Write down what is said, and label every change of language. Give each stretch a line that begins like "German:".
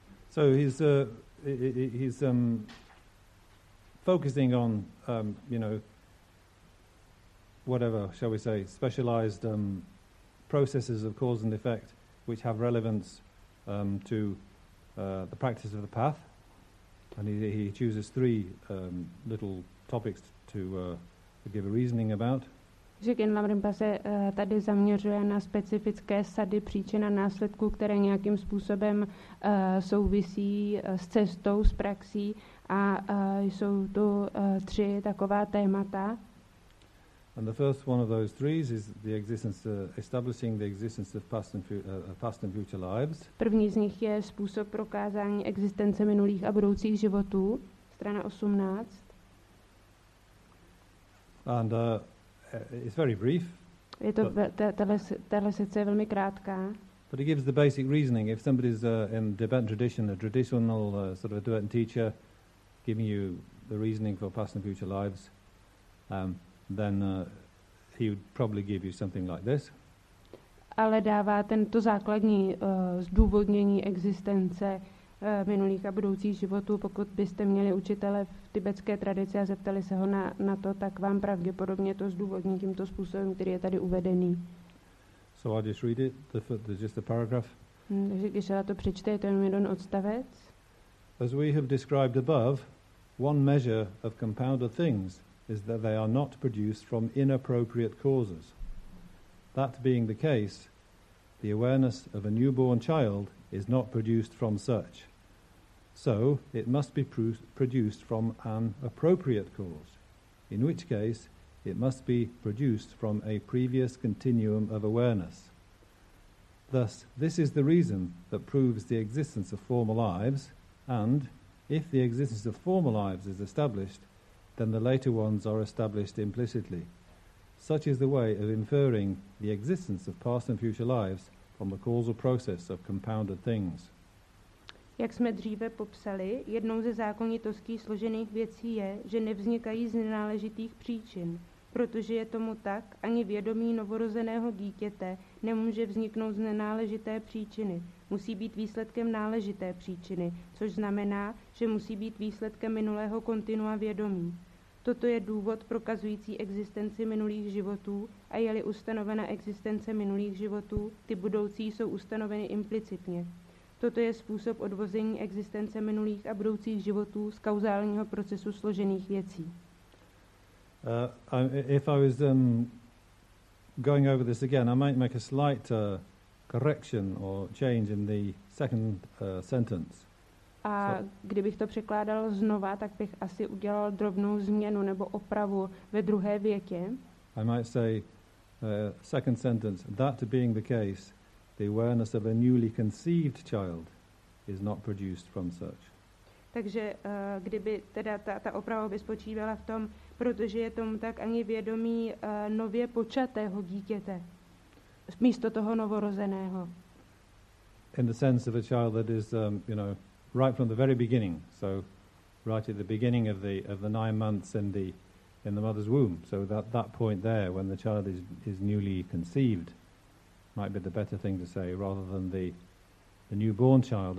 English: So he's focusing on whatever, shall we say, specialized processes of cause and effect which have relevance to the practice of the path. And he chooses three little topics to give a reasoning about.
Czech: Gyanlam Rinpoche tady zaměřuje na specifické sady příčin a následků, které nějakým způsobem souvisí s cestou, s praxí, a jsou to tři taková témata.
English: And the first one of those three is the existence, establishing the existence of past and future lives.
Czech: První z nich je způsob prokázání existence minulých a budoucích životů, strana 18.
English: And it's very brief.
Czech: Je to tahle sekce je velmi krátká.
English: But it gives the basic reasoning. If somebody's in Tibetan tradition, a traditional sort of a Tibetan teacher giving you the reasoning for past and future lives, then he would probably give you something like this.
Czech: Ale dává tento základní zdůvodnění existence minulých a budoucích životů. Pokud byste měli učitele v tibetské tradici a zeptali se ho na to, tak vám pravděpodobně to zdůvodní tímto způsobem, který je tady uvedený.
English: So I'll just read it, there's just a paragraph.
Czech: Takže když se na to přečte, je to jenom jeden odstavec.
English: As we have described above, one measure of compounded things is that they are not produced from inappropriate causes. That being the case, the awareness of a newborn child is not produced from such. So it must be produced from an appropriate cause, in which case it must be produced from a previous continuum of awareness. Thus, this is the reason that proves the existence of former lives, and if the existence of former lives is established, then the later ones are established implicitly. Such is the way of inferring the existence of past and future lives from the causal process of compounded things.
Czech: Jak jsme dříve popsali, jednou ze zákonitostí složených věcí je, že nevznikají z nenáležitých příčin. Protože je tomu tak, ani vědomí novorozeného dítěte nemůže vzniknout z nenáležité příčiny. Musí být výsledkem náležité příčiny, což znamená, že musí být výsledkem minulého kontinua vědomí. Toto je důvod prokazující existenci minulých životů a je-li ustanovena existence minulých životů, ty budoucí jsou ustanoveny implicitně. Toto je způsob odvození existence minulých a budoucích životů z kauzálního procesu složených věcí.
English: If I was going over this again, I might make a slight correction or change in the second sentence.
Czech: A kdybych to překládal znova, tak bych asi udělal drobnou změnu nebo opravu ve druhé větě.
English: I might say, second sentence, that being the case, the awareness of a newly conceived child is not produced from such.
Czech: Takže kdyby teda ta oprava by spočívala v tom, protože je tomu tak, ani vědomí nově počatého dítěte, místo toho novorozeného.
English: In the sense of a child that is, right from the very beginning, so right at the beginning of the 9 months in the mother's womb, so that point there when the child is newly conceived, might be the better thing to say rather than the newborn child.